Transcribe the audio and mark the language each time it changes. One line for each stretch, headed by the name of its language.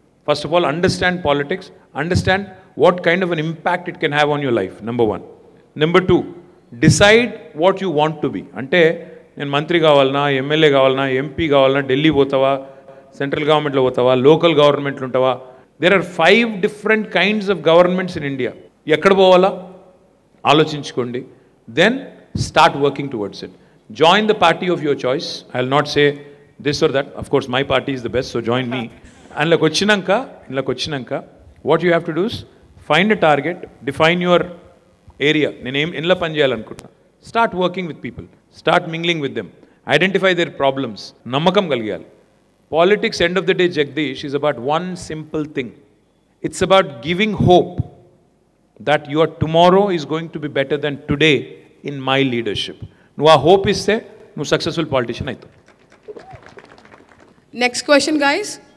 English: First of all, understand politics, understand what kind of an impact it can have on your life, number one. Number two, decide what you want to be.
Telugu: Ante nenu mantri kavalna, mla kavalna, mp kavalna, delhi pothava, central గవర్నమెంట్లో పోతావా, local గవర్నమెంట్లు ఉంటావా?
English: There are 5 different kinds of governments in India.
Telugu: ఎక్కడ పోవాలా ఆలోచించుకోండి,
English: Then start working towards it. Join the party of your choice. I will not say this or that, of course my party is the best so join me.
Telugu: అందులోకి వచ్చినాక,
English: what you have to do is find a target, define your area,
Telugu: నేను ఏం ఇందులో పనిచేయాలనుకుంటున్నా.
English: start working with people, start mingling with them, identify their problems,
Telugu: నమ్మకం కలిగాలి.
English: Politics, end of the day, Jagdish, is about one simple thing. It's about giving hope that your tomorrow is going to be better than today in my leadership.
Telugu: Nuva hope isthe nu successful politician aitu.
English: Next question, guys.